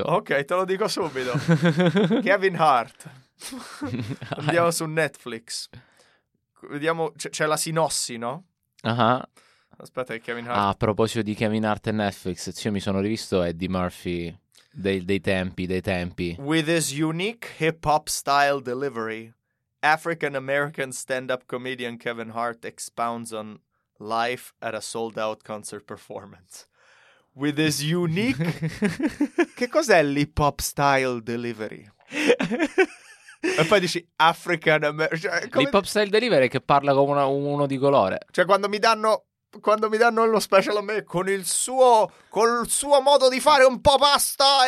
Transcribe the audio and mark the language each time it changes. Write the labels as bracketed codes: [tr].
[it] Ok, te lo dico subito. Kevin Hart. Andiamo su Netflix. Vediamo, c'è la sinossi, no? Aspetta, che Kevin Hart. Ah, a proposito di Kevin Hart e Netflix, io mi sono rivisto Eddie Murphy dei tempi. [en] With his unique hip-hop style delivery, African-American stand-up comedian Kevin Hart expounds on life at a sold-out concert performance. With his unique... [it] Che cos'è l' [en] hip-hop style delivery? [it] E poi dici African-American... Cioè, l' [en] hip-hop style delivery [it] che parla come uno di colore. Cioè, quando mi danno lo special a me con il suo modo di fare un po' pasta